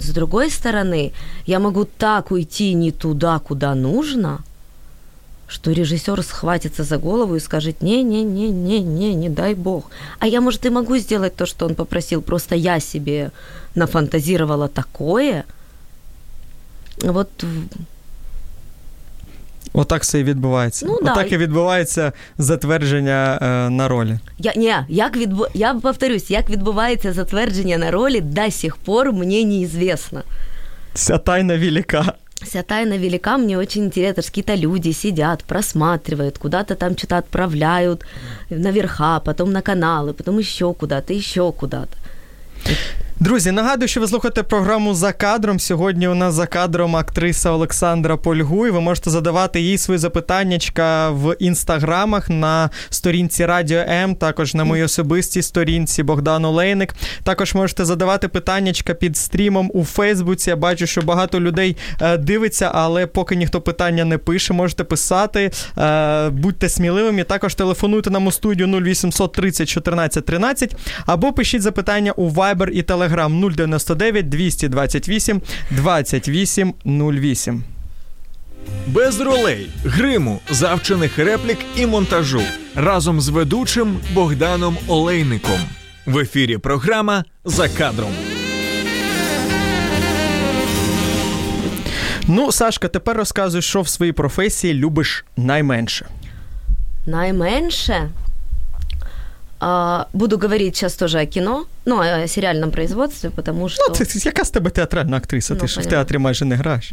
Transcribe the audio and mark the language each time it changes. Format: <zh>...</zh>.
<ru>С другой стороны, я могу так уйти не туда, куда нужно, что режиссер схватится за голову и скажет, не-не-не-не-не, не дай бог. А я, может, и могу сделать то, что он попросил, просто я себе нафантазировала такое. Вот... Вот так все и відбувається. Ну, вот так да.</ru> <uk>И відбувається затвердження на ролі. Я повторюсь, як відбувається затвердження на ролі,</uk> <ru>до сих пор мне неизвестно. Вся тайна велика. Вся тайна велика, мне очень интересно, какие-то люди сидят, просматривают, куда-то там что-то отправляют, наверха, потом на каналы, потом еще куда-то.</ru> <uk>Друзі, нагадую, що ви слухаєте програму «За кадром». Сьогодні у нас за кадром актриса Олександра Польгуй. Ви можете задавати їй свої запитаннячка в інстаграмах на сторінці Радіо М, також на моїй особистій сторінці Богдан Олейник. Також можете задавати питаннячка під стрімом у Фейсбуці. Я бачу, що багато людей дивиться, але поки ніхто питання не пише, можете писати. Будьте сміливими. Також телефонуйте нам у студію 0800 30 14 13 або пишіть запитання у Viber і Телеграм 099-228-2808. Без ролей, гриму, завчених реплік і монтажу. Разом з ведучим Богданом Олейником. В ефірі програма «За кадром». Ну, Сашка, тепер розказуй, що в своїй професії любиш найменше. Найменше?</uk> <ru>Буду говорить сейчас тоже о кино, ну, о сериальном производстве, потому что... Ну, ты, яка с тобой театральная актриса? Ну, ты же в театре майже не играешь.</ru>